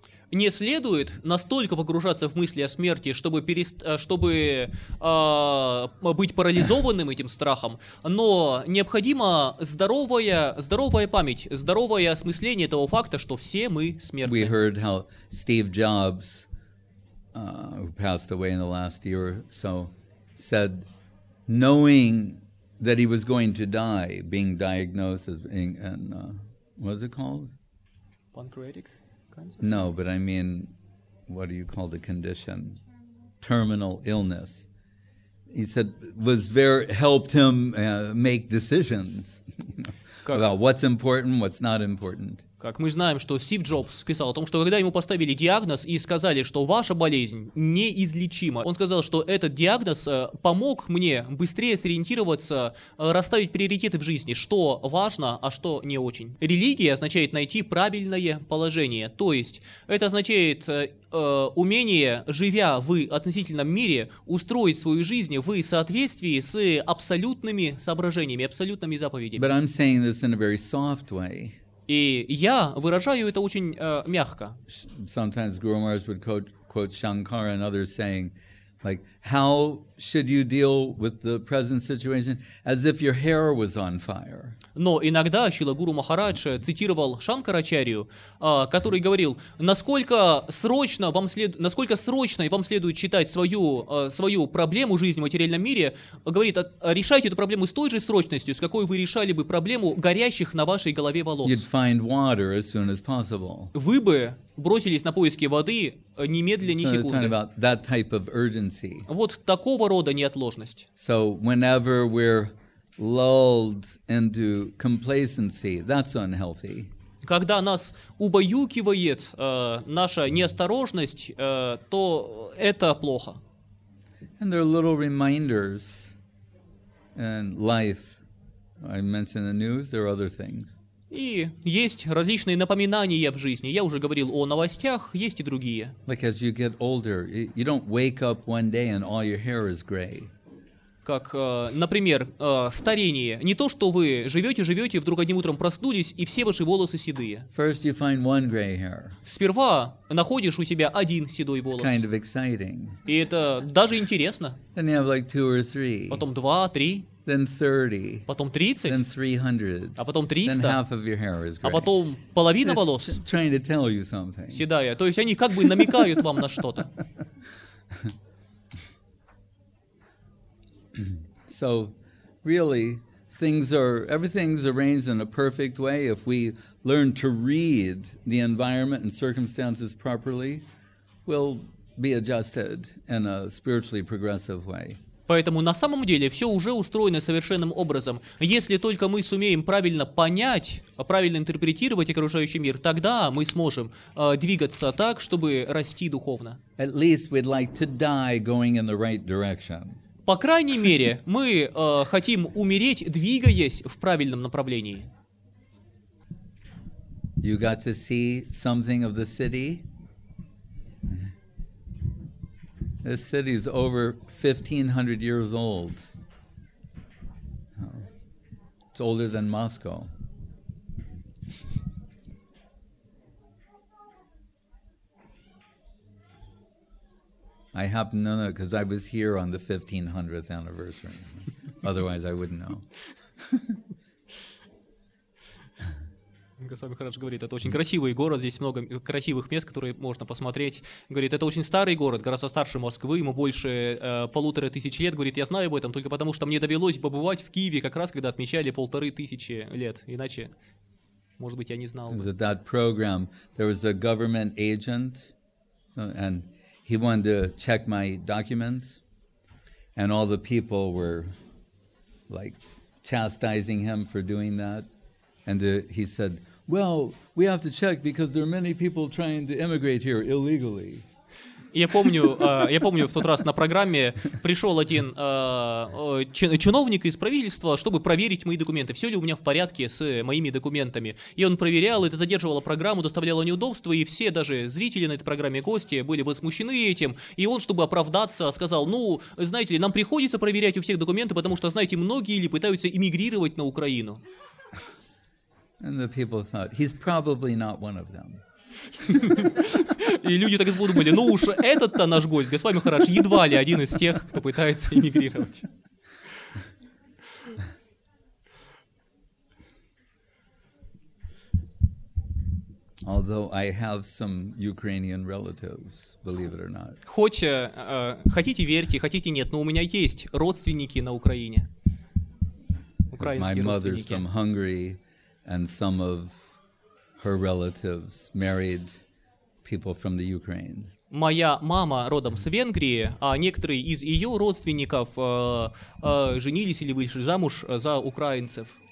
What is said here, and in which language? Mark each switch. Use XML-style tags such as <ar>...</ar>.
<ru>Не следует настолько погружаться в мысли о смерти, чтобы быть парализованным этим страхом, но необходима здоровая память, здоровое осмысление того факта, что все мы смертны.</ru> <en>We heard how Steve Jobs, who passed away in the last year or so, said, knowing that he was going to die, being diagnosed as being, and, what is it called? Pancreatic. No, but I mean, what do you call the condition? Terminal illness. He said, helped him make decisions, you know, about what's important, what's not important.</en> <ru>Как мы знаем, что Стив Джобс писал о том, что когда ему поставили диагноз и сказали, что ваша болезнь неизлечима, он сказал, что этот диагноз помог мне быстрее сориентироваться, расставить приоритеты в жизни, что важно, а что не очень. Религия означает найти правильное положение, то есть это означает умение, живя в относительном мире, устроить свою жизнь в соответствии с абсолютными соображениями, абсолютными заповедями.</ru> <en>But I'm saying this in a very soft way.</en> <ru>И я выражаю это очень мягко.</ru> <en>Sometimes Guru Maharaj would quote Shankara and others saying, like, how should you deal with the present situation as if your hair was on fire?</en> <ru>Но иногда Шрила Гуру Махарадж цитировал Шанкарачарью, который говорил, насколько срочно вам следует читать свою проблему жизни в материальном мире, говорит, решайте эту проблему с той же срочностью, с какой вы решали бы проблему горящих на вашей голове волос.</ru> <en>You'd find water as soon as possible.</en> <ru>Вы бы бросились на поиски воды немедленно, ни секунды.</ru> <en>So talking about that type of urgency.</en> <ru>Вот такого рода неотложность.</ru> <en>So whenever we're lulled into complacency, that's unhealthy.</en> <ru>Когда нас убаюкивает наша неосторожность, то это плохо.</ru> <en>And there are little reminders in life. I mentioned the news, there are other things.</en> <ru>И есть различные напоминания в жизни. Я уже говорил о новостях, есть и другие.</ru> <en>Like as you get older, you don't wake up one day and all your hair is gray.</en> <ru>Как, например, старение. Не то, что вы живете, вдруг одним утром проснулись, и все ваши волосы седые.</ru> <en>First you find one gray hair.</en> <ru>Сперва находишь у себя один седой волос.</ru> <en>It's kind of exciting.</en> <ru>И это даже интересно.</ru> <en>Then you have like two or three.</en> <ru>Потом два, три.</ru> <en>Then 30.</en> <ru>Потом 30.</ru> <en>Then 300.</en> <ru>А потом 300.</ru> <en>Then half of your hair is gray.</en> <ru>А потом половина волос.</ru> <en>Trying to tell you something.</en> <ru>Седая. То есть они как бы намекают вам на что-то.</ru> <en>So, really, everything's arranged in a perfect way. If we learn to read the environment and circumstances properly, we'll be adjusted in a spiritually progressive way.</en> <ru>Поэтому на самом деле все уже устроено совершенным образом. Если только мы сумеем правильно понять, правильно интерпретировать окружающий мир, тогда мы сможем двигаться так, чтобы расти духовно.</ru> <en>At least we'd like to die going in the right direction.</en> <ru>По крайней мере, мы хотим умереть, двигаясь в правильном направлении.</ru> <en>You got to see something of the city? This city is over 1500 years old. It's older than Moscow. I happen to know because I was here on the 1500th anniversary. Otherwise, I wouldn't know.</en> <ru>Госпожа Махарадж говорит, это очень красивый город, здесь много красивых мест, которые можно посмотреть. Говорит, это очень старый город, гораздо старше Москвы, ему больше полутора тысяч лет. Говорит, я знаю об этом только потому, что мне довелось побывать в Киеве как раз, когда отмечали 1500 лет. Иначе, может быть, я не знал бы.</ru> <en>That program, there was a government agent, and he wanted to check my documents, and all the people were like chastising him for doing that. And he said, "Well, we have to check because there are many people trying to immigrate here illegally."</en> <ru>Я помню, в тот раз на программе пришел один чиновник из правительства, чтобы проверить мои документы, все ли у меня в порядке с моими документами. И он проверял, это задерживало программу, доставляло неудобства, и все, даже зрители на этой программе, гости, были возмущены этим. И он, чтобы оправдаться, сказал, ну, знаете ли, нам приходится проверять у всех документы, потому что, знаете, многие ли пытаются эмигрировать на Украину.</ru> <en>And the people thought, he's probably not one of them.</en> <ru>И люди так подумали, ну уж этот-то наш гость, Госпожа Махарадж, едва ли один из тех, кто пытается эмигрировать.</ru> <en>Although I have some Ukrainian relatives, believe it or not.</en> <ru>Хотите верьте, хотите нет, но у меня есть родственники на Украине.</ru> <en>My mother's from Hungary. And some of her relatives married people from the Ukraine.</en> <ru>Моя мама родом с Венгрии, а некоторые из ее родственников женились или вышли замуж за украинцев.</ru>